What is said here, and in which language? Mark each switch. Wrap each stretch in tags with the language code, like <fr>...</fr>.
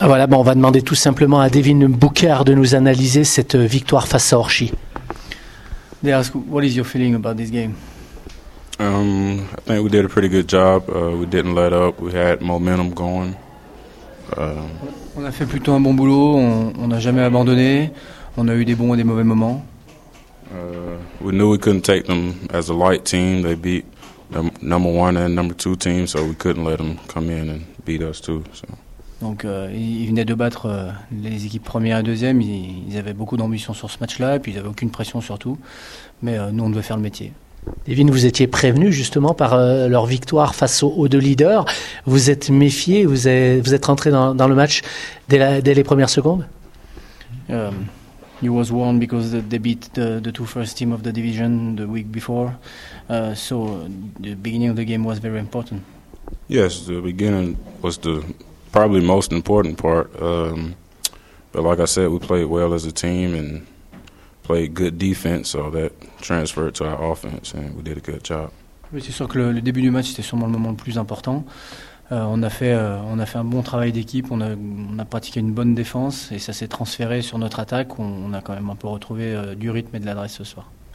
<fr>Voilà, bon, on va demander tout simplement à Devin Booker de nous analyser cette victoire face à Orchi.</fr> <en>They ask, what is your feeling about this game? I think we did a pretty good job. We didn't let up. We had momentum going.</en> <fr>On a fait plutôt un bon boulot. On n'a jamais abandonné. On a eu des bons et des mauvais moments.</fr> <en>We knew we couldn't take them as a light team. They beat the number one and number two team, so we couldn't let them come in and beat us too. So.</en> <fr>Donc, ils venaient de battre les équipes première et deuxième. Ils avaient beaucoup d'ambition sur ce match-là, et puis ils n'avaient aucune pression surtout. Mais nous, on devait faire le métier. Devin, vous étiez prévenu justement par leur victoire face aux deux leaders. Vous êtes méfié, vous êtes rentré dans le match dès les premières secondes.</fr> <en>You was warned because they beat the two first team of the division the week before. So the beginning of the game was very important. Yes, the beginning was the probably most important part. But like I said, we played well as a team and played good defense, so that transferred to our offense and we did a good job.</en> <fr>Oui, c'est sûr que le début du match c'était sûrement le moment le plus important. On a fait un bon travail d'équipe, on a pratiqué une bonne défense et ça s'est transféré sur notre attaque. On a quand même un peu retrouvé du rythme et de l'adresse ce soir.</fr>